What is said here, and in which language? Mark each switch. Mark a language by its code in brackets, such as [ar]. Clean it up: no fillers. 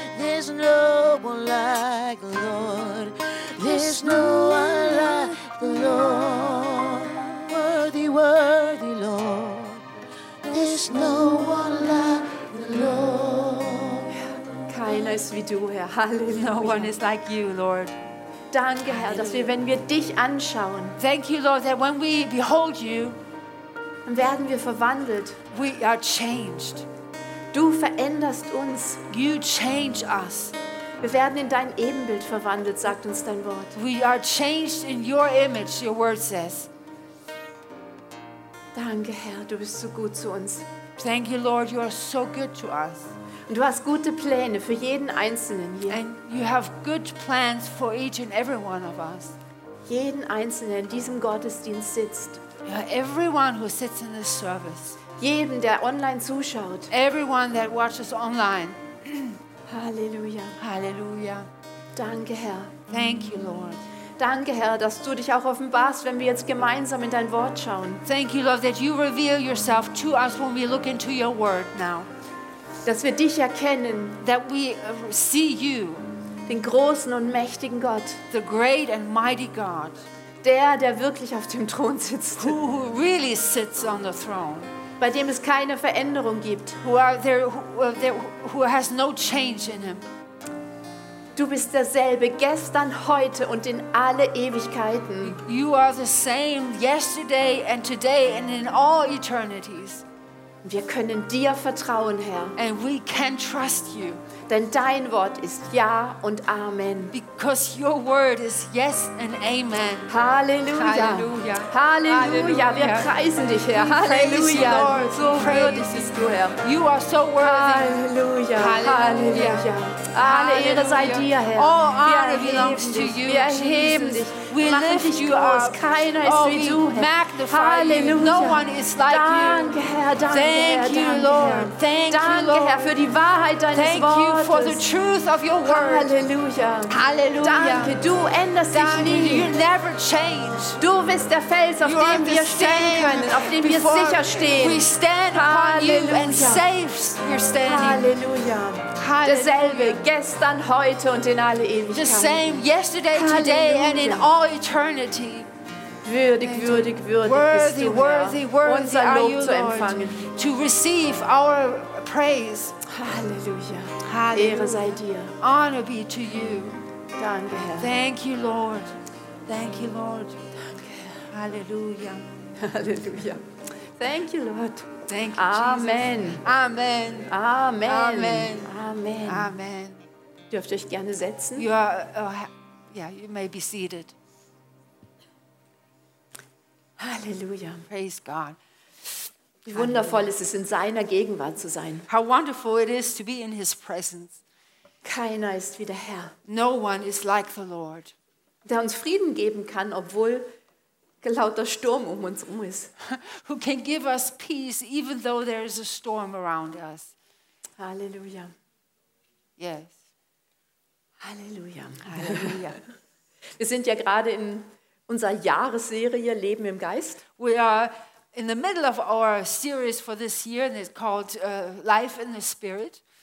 [en] There's no one like the Lord. There's no one like the Lord. Lord, worthy, worthy Lord, there's no one like the Lord. [de] Keiner ist wie du, Herr. Halleluja. [en] No one is like you, Lord. [de] Danke, Herr, dass wir, wenn wir dich anschauen, [en] thank you, Lord, that when we behold you, [de] dann werden wir verwandelt. [en] We are changed. [de] Du veränderst uns. [en] You change us. [de] Wir werden in dein Ebenbild verwandelt, sagt uns dein Wort. [en] We are changed in your image, your word says. [de] Danke, Herr, du bist so gut zu uns. [en] Thank you, Lord, you are so good to us. [de] Und du hast gute Pläne für jeden Einzelnen hier. [en] And you have good plans for each and every one of us. [de] Jeden Einzelnen, in diesem Gottesdienst sitzt. [en] Yeah, everyone who sits in this service. [de] Jeden, der online zuschaut. [en] Everyone that watches online. [de] Halleluja. Halleluja. Danke, Herr. [en] Thank you, Lord. [de] Danke, Herr, dass du dich auch offenbarst, wenn wir jetzt gemeinsam in dein Wort schauen. [en] Thank you, Lord, that you reveal yourself to us when we look into your word now. [de] Dass wir dich erkennen. [en] That we see you. [de] Den großen und mächtigen Gott. [en] The great and mighty God. [de] Der, der wirklich auf dem Thron sitzt. [en] Who really sits on the throne. [de] Bei dem es keine Veränderung gibt. [en] Who has no change in him. [de] Du bist derselbe gestern, heute und in alle Ewigkeiten. [en] You are the same yesterday and today and in all eternities. [de] Wir können dir vertrauen, Herr. [en] And we can trust you. [de] Denn dein Wort ist ja und amen. [en] Because your word is yes and amen. [de] Halleluja. Halleluja. Halleluja. Wir preisen dich, Herr. Halleluja. So würdig bist du, Herr. [en] You are so worthy. [de] Halleluja. Halleluja. Alle Ehre sei dir, Herr. [en] All honor belongs to you, [de] Jesus. Wir erheben dich. [en] We lift you up. [de] Keiner ist wie du, Herr. [en] Halleluja. No one is like you. [de] Danke, Herr. Danke, Herr. [en] Thank you, Lord. Thank you, Lord. [de] Danke, Herr, für die Wahrheit deines Wortes. [en] Thank you for the truth of your word. [de] Halleluja. Halleluja. Danke, du änderst dich nie. [en] You never change. [de] Du bist der Fels, auf dem wir stehen können, auf dem wir sicher stehen. [en] We stand upon you and safe you're standing. [de] Halleluja. Halleluja. Derselbe gestern, heute und in alle Ewigkeit. [en] The same yesterday, today and in all eternity. [de] Würdig, würdig, würdig [en] worthy, [de] bist du, [en] worthy, worthy, [de] unser Lob [en] are you, [de] zu empfangen. [en] Lord, to receive our praise. [de] Halleluja. Halleluja. Ehre sei dir. [en] Honor be to you. [de] Danke, Herr. [en] Thank you, Lord. Thank you, Lord. [de] Danke, Herr. Halleluja. [en] Halleluja. Thank you, Lord. Thank you, Amen. Jesus. Amen. Amen. Amen. Amen. [de] Amen. Dürft ihr euch gerne setzen? [en] You are, you may be seated. [de] Halleluja. [en] Praise God. [de] Wie wundervoll ist es, in seiner Gegenwart zu sein. [en] How wonderful it is to be in his presence. [de] Keiner ist wie der Herr. [en] No one is like the Lord. [de] Der uns Frieden geben kann, obwohl lauter Sturm um uns herum ist. [en] Who can give us peace even though there is a storm around us. [de] Halleluja. [en] Yes. [de] Halleluja. Halleluja. Wir sind ja gerade in unserer Jahresserie Leben im Geist. [en] We are in the middle of our series for this year and it's called Life in the Spirit.